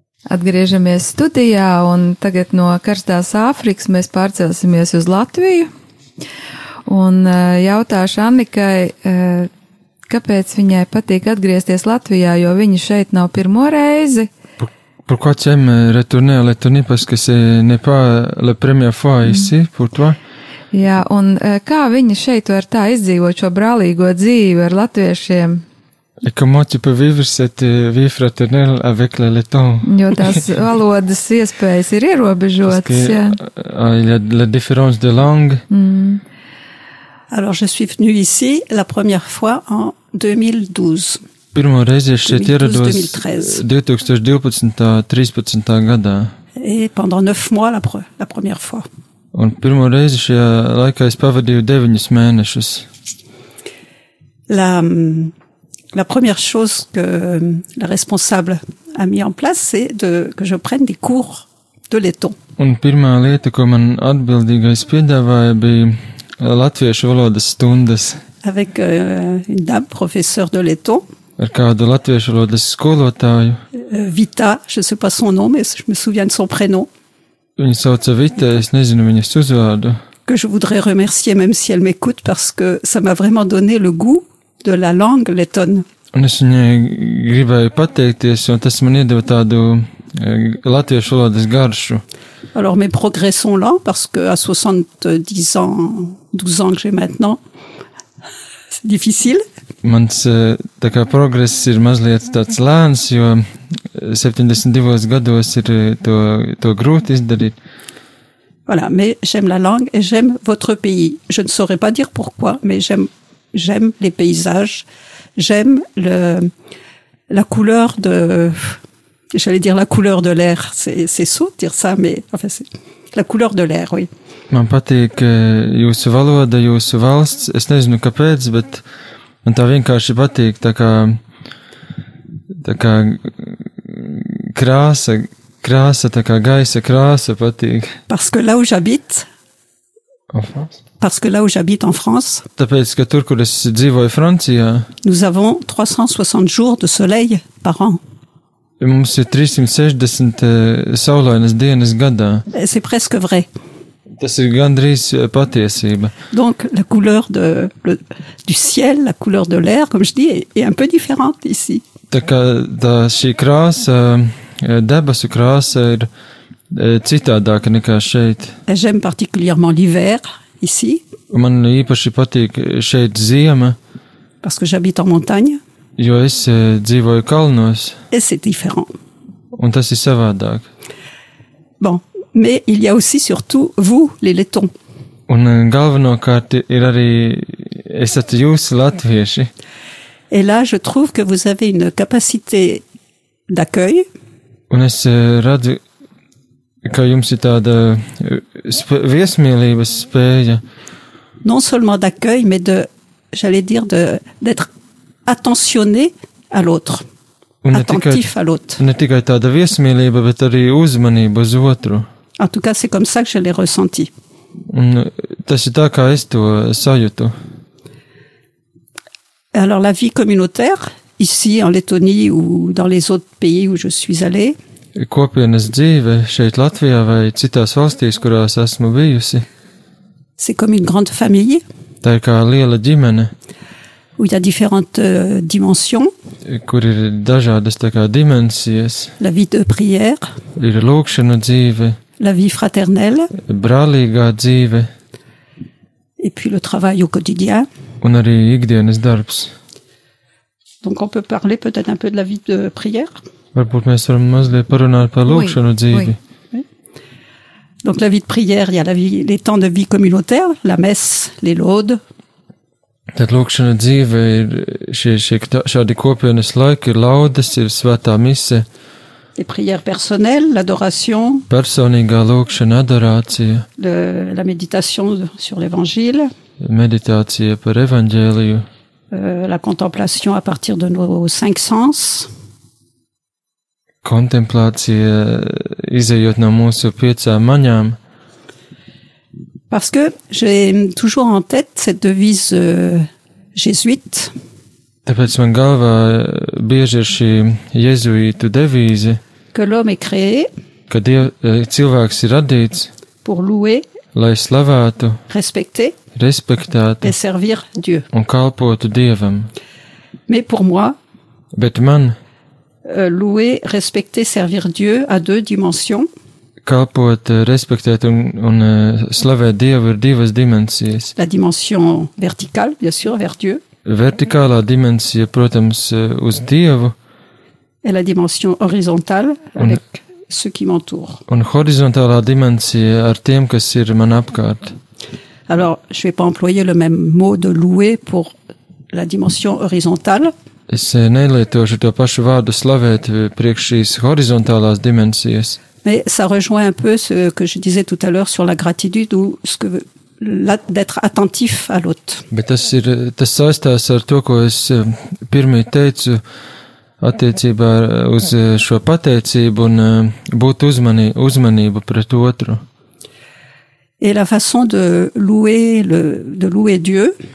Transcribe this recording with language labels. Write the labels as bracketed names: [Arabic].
[Latvian] Atgriežamies studijā un tagad no karstās Āfrikas mēs pārcelsimies uz Latviju. Un jautāšu Annikai, kāpēc viņai patīk atgriezties Latvijā, jo viņa šeit nav pirmo reizi. [French] Pourquoi tu aimes retourner à Lettonie parce que ce n'est pas la première fois ici pour toi? [Latvian] Jā, un kā viņa šeit var tā izdzīvot šo brālīgo dzīvi ar latviešiem? [French] Et comment tu peux vivre cette vie fraternelle avec les Lettons? [Latvian] Jo tās valodas iespējas ir ierobežotas, [French] parce que, jā. Il y a la différence de langue. Alors je suis venu ici la première fois en 2012. [Latvian] Pirmo reizi es šeit ierados 2012-13. Gadā. [French] Et pendant 9 mois la première fois. [Latvian] Un pirmo reizi šajā laikā es pavadīju 9 mēnešus. [French] La première chose que la responsable a mis en place c'est que je prenne des cours de letton. [Latvian] Un pirmā lieta, ko man atbildīgais piedāvāja, bija latviešu valodas stundas. [French] Avec une dame professeur de letton. [Latvian] Ar kādu latviešu valodas skolotāju. [French] Vita, je sais pas son nom, mais je me souviens de son prénom. [Latvian] Viņa sauca Vita, es nezinu viņas uzvārdu. [French] Que je voudrais remercier, même si elle m'écoute, parce que ça m'a vraiment donné le goût de la langue lettonne. [Latvian] Un es viņai gribēju pateikties, un tas man iedeva tādu latviešu valodas garšu. [French] Alors, mes progrès sont là, parce que à 70 ans, 12 ans que j'ai maintenant, c'est difficile. [Latvian] Mans tā kā progress ir mazliet tāds lēns, jo 72 gados ir to grūti izdarīt. [French] Voilà, mais j'aime la langue et j'aime votre pays. Je ne saurais pas dire pourquoi, mais j'aime les paysages. J'aime la couleur de j'allais dire la couleur de l'air, c'est saut dire ça mais enfin c'est la couleur de l'air, oui. [Latvian] Man patīk jūsu valoda, jūsu valsts, es nezinu kāpēc, bet Man tā vienkārši patīk, tā kā krāsa, tā kā gaisa krāsa patīk. [French] Parce que là où j'habite. Parce que là où j'habite en France. [Latvian] Tāpēc, ka tur, kur es dzīvoju Francijā. [French] Nous avons 360 jours de soleil par an. [Latvian] Mums ir 360 saulainas dienas gadā. [French] C'est presque vrai. [Latvian] Tas ir gandrīz patiesība. [French] Donc la couleur du ciel, la couleur de l'air, comme je dis, est un peu différente ici. [Latvian] Tā kā tā šī krāsa, debesu krāsa ir citādāka nekā šeit. [French] J'aime particulièrement l'hiver ici. [Latvian] Man īpaši patīk šeit ziema. [French] Parce que j'habite en montagne. [Latvian] Jo es dzīvoju kalnos. [French] Et c'est différent. [Latvian] Un tas ir savādāk. [French] Bon. Mais il y a aussi surtout vous, les Lettons. [Latvian] Un galvenokārt ir arī esat jūs, latvieši. [French] Et là, je trouve que vous avez une capacité d'accueil. [Latvian] Un es redzu, ka jums ir tāda viesmīlības spēja. [French] Non seulement d'accueil, mais de, j'allais dire, d'être attentionné à l'autre. Attentif à l'autre. [Latvian] Ne tikai tāda viesmīlība, bet arī uzmanība uz otru. [French] En tout cas, c'est comme ça que je l'ai ressenti. [Latvian] Tas ir tā, kā es to sajūtu. [French] Alors, la vie communautaire, ici, en Lettonie, ou dans les autres pays où je suis allée. [Latvian] Kopienas dzīve šeit Latvijā vai citās valstīs, kurās esmu bijusi. [French] C'est comme une grande famille. [Latvian] Tā ir kā liela ģimene. [French] Où il y a différentes dimensions. [Latvian] Kur ir dažādas tā kā dimensijas. [French] La vie de prière. [Latvian] Ir lūkšana dzīve. [French] La vie fraternelle. [Latvian] Brālīgā dzīve. [French] Et puis le travail au quotidien. [Latvian] Un arī ikdienas darbs. [French] Donc on peut parler peut-être un peu de la vie de prière. [Latvian] Varbūt mēs varam mazliet parunāt par lūkšanu dzīvi. [French] Donc la vie de prière, il y a les temps de vie communautaire, la messe, les laudes. [Latvian] Tad lūkšanu dzīve ir šādi kopienas laiki, ir laudes, ir svētā mise. [French] Les prières personnelles, l'adoration. [Latvian] Personīgā lūkšana, adorācija. [French] La méditation sur l'évangile. [Latvian] Meditācija par evaņģēliju. [French] La contemplation à partir de nos cinq sens. [Latvian] Kontemplācija, izejot no mūsu piecām maņām. [French] Parce que j'ai toujours en tête cette devise jésuite. [Latvian] Tāpēc man galvā bieži ir šī jēzuītu devīze. [French] que l'homme est créé. [Latvian] Ka cilvēks ir radīts. [French] Pour louer. [Latvian] Lai slavētu. [French] Respecter. [Latvian] Respektētu. [French] Et servir Dieu. [Latvian] Un kalpotu Dievam. [French] Mais pour moi. [Latvian] Bet man. [French] Louer, respecter, servir Dieu à deux dimensions. [Latvian] Kalpot, respektēt un slavēt Dievu ir divas dimensijas. [French] La dimension verticale, bien sûr, vers Dieu. [Latvian] Vertikālā dimensija, protams, uz Dievu. [French] Et la dimension horizontale avec ceux qui m'entourent. [Latvian] Un horizontālā dimensija ar tiem, kas ir man apkārt. [French] Alors, je vais pas employer le même mot de louer pour la dimension horizontale. [Latvian] Es nelietošu to pašu vārdu slavēt priekš šīs horizontālās dimensijas. [French] Mais ça rejoint un peu ce que je disais tout à l'heure sur la gratitude ou ce que d'être attentif à l'autre. [Latvian] Bet tas ir, tas saistās ar to, ko es pirmie teicu attiecībā uz šo pateicību un būt uzmanību pret otru. [French] Et la façon de louer de louer Dieu.